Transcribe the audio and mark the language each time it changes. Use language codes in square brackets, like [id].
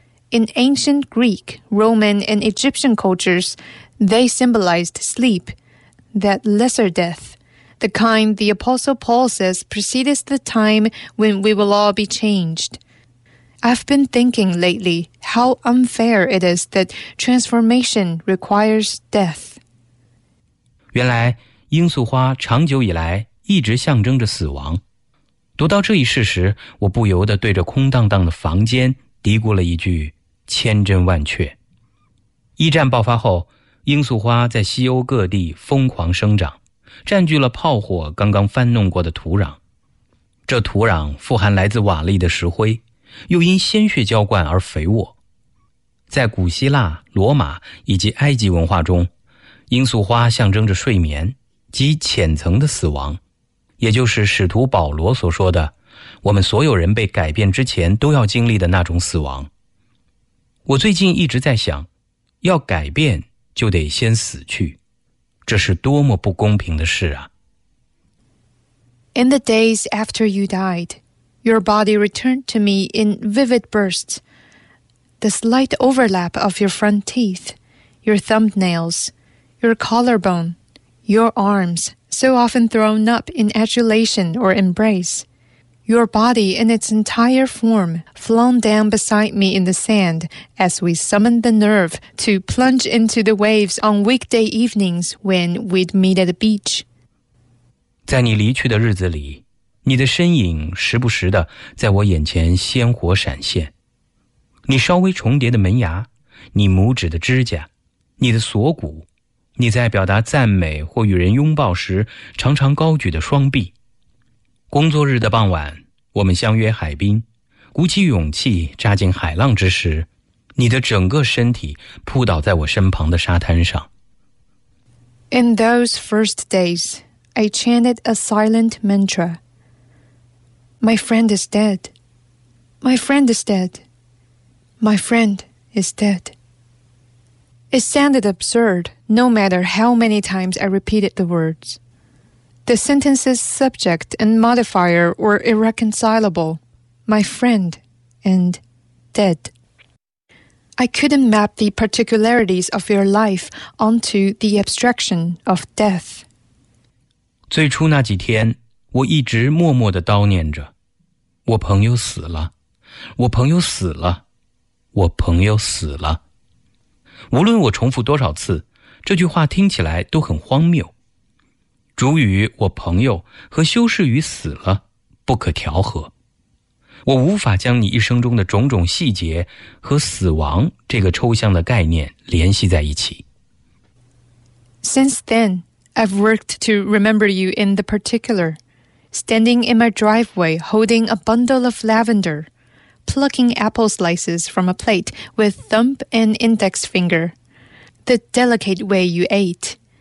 [en] In ancient Greek, Roman, and Egyptian cultures, they symbolized sleep,that lesser death, the kind the Apostle Paul says precedes the time when we will all be changed. I've been thinking lately how unfair it is that transformation requires death. [zh] 原来罂粟花长久以来一直象征着死亡。读到这一事实，我不由得对着空荡荡的房间嘀咕了一句千真万确。一战爆发后，罂粟花在西欧各地疯狂生长，占据了炮火刚刚翻弄过的土壤。这土壤富含来自瓦砾的石灰，又因鲜血浇灌而肥沃。在古希腊、罗马以及埃及文化中，罂粟花象征着睡眠及浅层的死亡，也就是使徒保罗所说的我们所有人被改变之前都要经历的那种死亡。我最近一直在想，要改变就得先死去，这是多么不公平的事啊。 [en] In the days after you died, your body returned to me in vivid bursts. The slight overlap of your front teeth, your thumbnails, your collarbone, your arms, so often thrown up in adulation or embrace. Your body in its entire form flown down beside me in the sand as we summoned the nerve to plunge into the waves on weekday evenings when we'd meet at the beach. [zh] 在你离去的日子里，你的身影时不时地在我眼前鲜活闪现。你稍微重叠的门牙，你拇指的指甲，你的锁骨，你在表达赞美或与人拥抱时常常高举的双臂。工作日的傍晚，我们相约海滨，鼓起勇气扎进海浪之时，你的整个身体扑倒在我身旁的沙滩上。 [en] In those first days, I chanted a silent mantra. My friend is dead. My friend is dead. My friend is dead. It sounded absurd, no matter how many times I repeated the words. The sentence's subject and modifier were irreconcilable, my friend and dead. I couldn't map the particularities of your life onto the abstraction of death. [zh] 最初那几天，我一直默默地叨念着，我朋友死了，我朋友死了，我朋友死了。无论我重复多少次，这句话听起来都很荒谬。主语我朋友和修饰语死了不可调和。我无法将你一生中的种种细节和死亡这个抽象的概念联系在一起。 [en] Since then, I've worked to remember you in the particular, standing in my driveway holding a bundle of lavender, plucking apple slices from a plate with thumb and index finger, the delicate way you ate.